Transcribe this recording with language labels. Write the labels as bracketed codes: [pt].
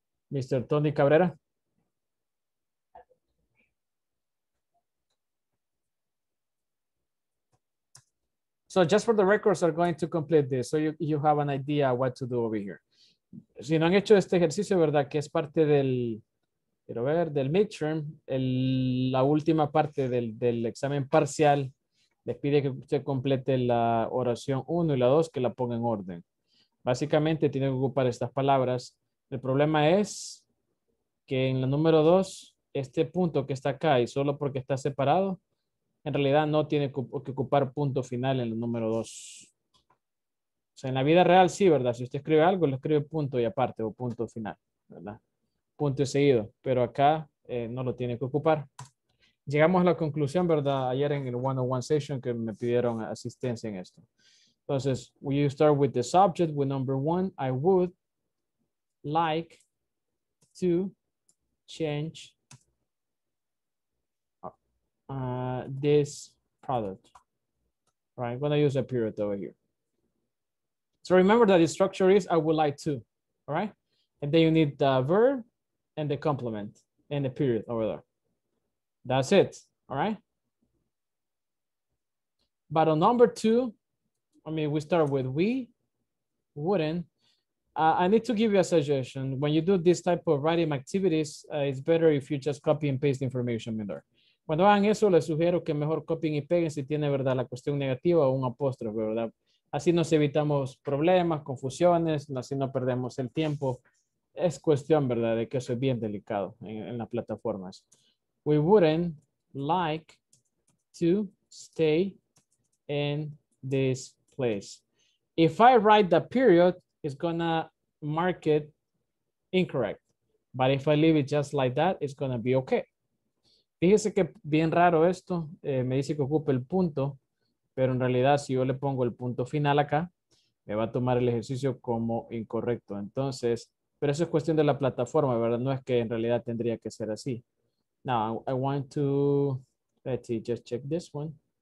[en] Mr. Tony Cabrera? So just for the records, are going to complete this. So you have an idea what to do over here. [es] Si no han hecho este ejercicio, ¿verdad? Que es parte del, quiero ver, del midterm, la última parte del examen parcial, les pide que usted complete la oración 1 y la 2, que la ponga en orden. Básicamente tiene que ocupar estas palabras. El problema es que en la número 2, este punto que está acá y solo porque está separado, en realidad no tiene que ocupar punto final en el número 2. O sea, en la vida real sí, ¿verdad? Si usted escribe algo, lo escribe punto y aparte o punto final, ¿verdad? Punto y seguido. Pero acá no lo tiene que ocupar. Llegamos a la conclusión, ¿verdad? Ayer en el 101 session que me pidieron asistencia en esto. [en] Entonces, we start with the subject, with number 1. I would like to change this product, right? I'm going to use a period over here. So remember that the structure is I would like to, all right? And then you need the verb and the complement and the period over there. That's it, all right? But on number two, I mean, we start with we, wouldn't. I need to give you a suggestion. When you do this type of writing activities, it's better if you just copy and paste the information in there. [es] Cuando hagan eso, les sugiero que mejor copien y peguen si tiene, verdad, la cuestión negativa o un apóstrofe, verdad. Así nos evitamos problemas, confusiones, así no perdemos el tiempo. Es cuestión, verdad, de que eso es bien delicado en las plataformas. [en] We wouldn't like to stay in this place. If I write the period, it's gonna mark it incorrect. But if I leave it just like that, it's gonna be okay. [es] Fíjese que bien raro esto, me dice que ocupe el punto, pero en realidad si yo le pongo el punto final acá, me va a tomar el ejercicio como incorrecto. Entonces, pero eso es cuestión de la plataforma, ¿verdad? No es que en realidad tendría que ser así. [en] Now, I want to, let's see, just check this one.